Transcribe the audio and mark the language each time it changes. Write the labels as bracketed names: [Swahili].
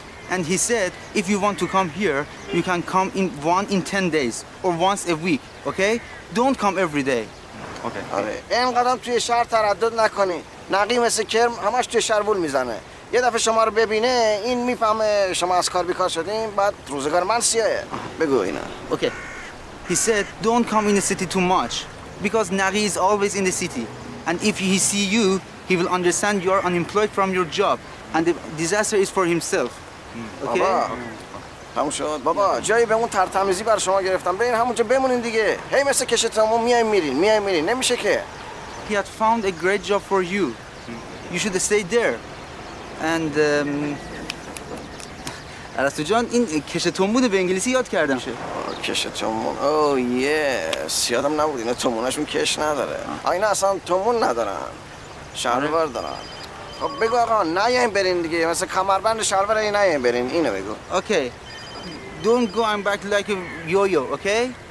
[English] And he said if you want to come here you can come in 1 in 10 days or once a week okay don't come every day [Persian] okay اینقدرم توی شهر تردد نکنی نقی مثل کرم همش توی شهر وول میزنه یه دفعه شما رو ببینه این میفهمه شما از کار بیکار شدین بعد روزگار من سیاه بگو اینا [English] okay He said, don't come in the city too much because Nagi is always in the city. And if he see you, he will understand you are unemployed from your job and the disaster is for himself. [Persian] Okay? بابا، تموم شد. بابا، جایی به اون ترتمیزی برای شما گرفتم. بگیر همونجا بمونین دیگه. هی مثل کشتنمون میایم میرین، میایم میرین. نمیشه که. [English] He had found a great job for you. You should stay there. [Persian] And ارسطو جان، این کشتن بوده به انگلیسی یاد کردم. کش تومون. [English] oh yes, [Persian] یادم نبود اینا تومونشون کش نداره. اینا اصلا تومون ندارن، شلوار دارن. خب بگو آقا نیاین برین دیگه، مثلا کمربند و شلوار اینا نیاین برین، اینو بگو. [English] Okay don't go and back like a yo-yo, okay?